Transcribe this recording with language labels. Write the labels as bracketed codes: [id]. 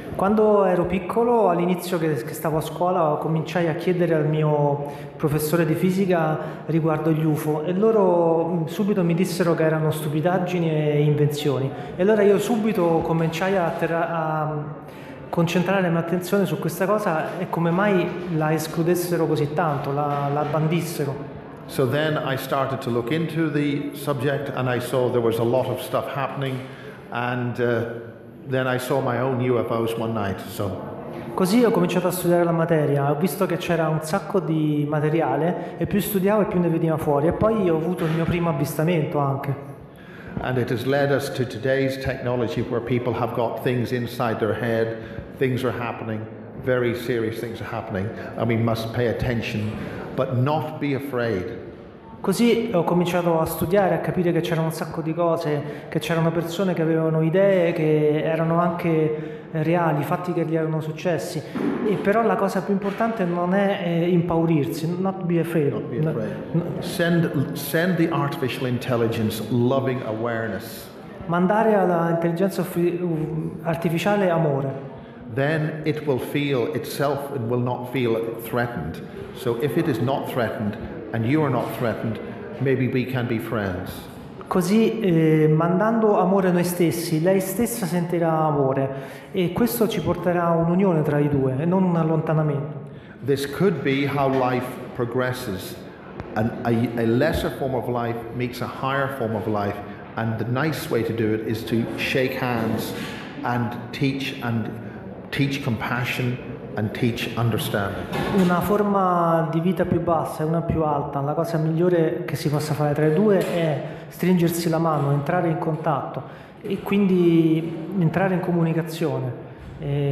[it] Quando ero piccolo, all'inizio che stavo a scuola, cominciai a chiedere al mio professore di fisica riguardo gli UFO, e loro subito mi dissero che erano stupidaggini e invenzioni. E allora io subito cominciai a concentrare la mia attenzione su questa cosa, e come mai la escludessero così tanto, la bandissero. [en] So then I started to look into the subject and I saw there was a lot of stuff happening, and then I saw my own UFOs one night. So [it] Così ho cominciato a studiare la materia, ho visto che c'era un sacco di materiale e più studiavo e più ne veniva fuori, e poi ho avuto il mio primo avvistamento anche. [en] And it has led us to today's technology where people have got things inside their head, things are happening, very serious things are happening, and we must pay attention, but not be afraid. [it] Così ho cominciato a studiare, a capire che c'erano un sacco di cose, che c'erano persone che avevano idee, che erano anche reali, fatti che gli erano successi. E però la cosa più importante non è impaurirsi, [en] not be afraid. Not be afraid. Send the artificial intelligence loving awareness. [it] Mandare all'intelligenza artificiale amore. [en] Then it will feel itself and will not feel threatened. So if it is not threatened, and you are not threatened, maybe we can be friends. [it] Così mandando amore a noi stessi, lei stessa sentirà amore e questo ci porterà a un'unione tra i due, non un allontanamento. [en] This could be how life progresses. A lesser form of life meets a higher form of life, and the nice way to do it is to shake hands and teach compassion. And teach understanding. [it] Una forma di vita più bassa e una più alta, la cosa migliore che si possa fare tra i due è stringersi la mano, entrare in contatto e quindi entrare in comunicazione.